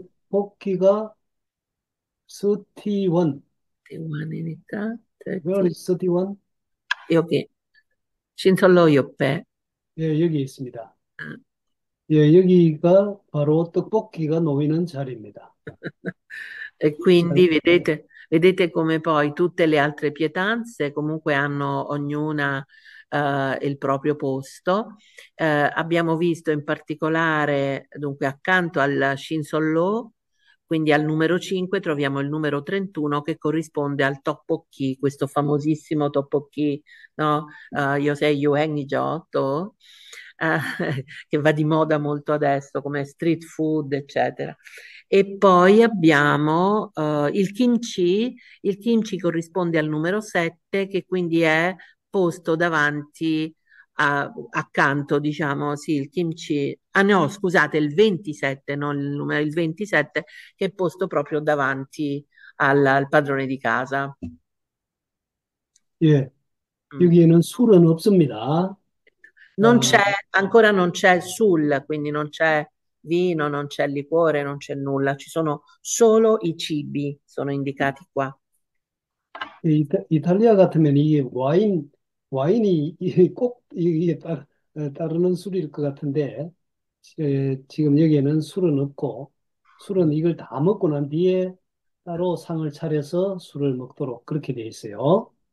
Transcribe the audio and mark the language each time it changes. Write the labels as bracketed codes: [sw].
[ko] 떡볶이가 31. 31 [en] Where is 31? [ko] 여기 신설로 옆에 예, 여기 있습니다. 예, 여기가 바로 떡볶이가 놓이는 자리입니다. [it] E quindi vedete come poi tutte le altre pietanze comunque hanno ognuna il proprio posto. Abbiamo visto in particolare, dunque, accanto al Shinsollo, quindi al numero 5, troviamo il numero 31 che corrisponde al Tteokbokki, questo famosissimo Tteokbokki, no? Yosei Yuen Ijeotto, che va di moda molto adesso come street food, eccetera. E poi abbiamo il kimchi corrisponde al numero 7, che quindi è posto davanti, accanto, diciamo, sì, il kimchi, ah no, scusate, il 27, non il numero, il 27, che è posto proprio davanti al padrone di casa. [ko] 예, 여기에는 술은 없습니다. [it] Non c'è, ancora non c'è sul, quindi non c'è vino, non c'è liquore, non c'è nulla, ci sono solo i cibi, sono indicati qua. [ko] 이탈리아 같으면 이게 와인이 꼭 이게 따르는 술일 것 같은데, 지금 여기에는 술은 없고, 술은 이걸 다 먹고 난 뒤에 따로 상을 차려서 술을 먹도록 그렇게 되어 있어요.